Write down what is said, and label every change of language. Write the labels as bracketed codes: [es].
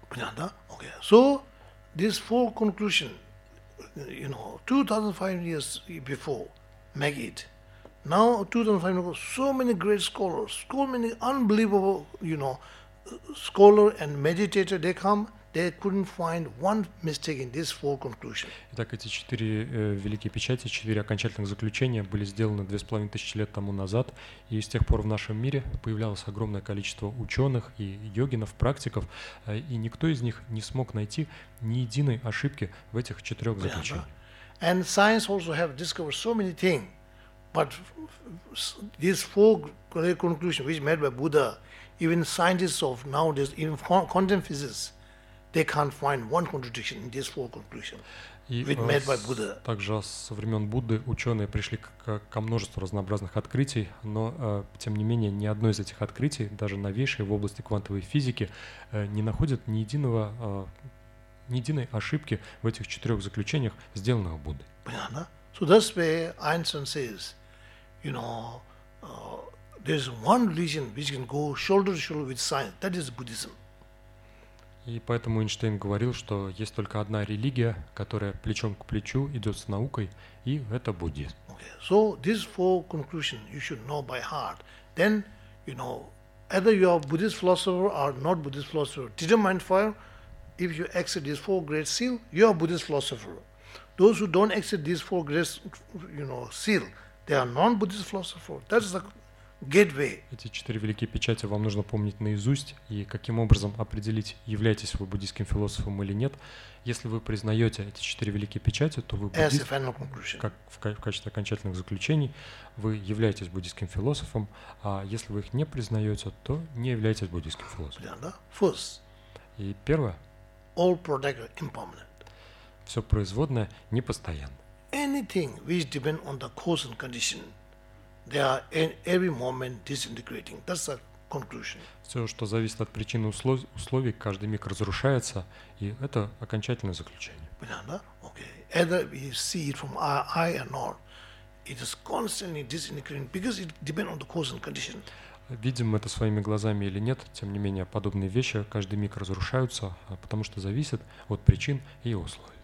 [ru] Понятно, да? Okay. [en] So, these four conclusions, you know, 2,500 years before, make it. Now, 2,500 years, so many great scholars, so many unbelievable, you know, scholar and meditator, they come, they couldn't find one mistake in these four conclusions. [ru] Итак, эти четыре великие печати, четыре окончательных заключения были сделаны 2500 лет тому назад, и с тех пор в нашем мире появлялось огромное количество ученых и йогинов, практиков, и никто из них не смог найти ни единой ошибки в этих четырех заключениях. [en] And science also have discovered so many things, but these four conclusions which made by Buddha, even scientists of nowadays, even quantum physicists, they can't find one contradiction in these four conclusions, which made by Buddha. [ru] Также со времен Будды ученые пришли ко множеству разнообразных открытий, но тем не менее ни одно из этих открытий, даже новейшее в области квантовой физики, не находит ни единой ошибки в этих четырех заключениях, сделанных Буддой. Понятно? [en] So that's where Einstein says, you know, there's one religion which can go shoulder to shoulder with science. That is Buddhism. [ru] И поэтому Эйнштейн говорил, что есть только одна религия, которая плечом к плечу идет с наукой, и это буддизм. [en] Okay. So these four conclusions you should know by heart. Then, you know, either you are Buddhist philosopher or not Buddhist philosopher. Determine for if you accept these four great seal, you are Buddhist philosopher. Those who don't accept these four great, you know, seal, they are non-Buddhist philosopher. That is the gateway. [ru] Эти четыре великие печати вам нужно помнить наизусть, и каким образом определить, являетесь вы буддийским философом или нет. Если вы признаете эти четыре великие печати, то вы буддист, как в качестве окончательных заключений, вы являетесь буддийским философом, а если вы их не признаете, то не являетесь буддийским философом. [en] First. [ru] И первое. [en] All product impermanent. [ru] Все производное непостоянно. [en] Anything which depends on the cause and condition, they are in every moment disintegrating. That's the conclusion. [ru] Все, что зависит от причины условий, каждый миг разрушается, и это окончательное заключение. Понятно? Okay. [en] Either we see it from our eye or not, it is constantly disintegrating because it depends on the cause and condition. [ru] Видим мы это своими глазами или нет, тем не менее, подобные вещи каждый миг разрушаются, потому что зависят от причин и условий.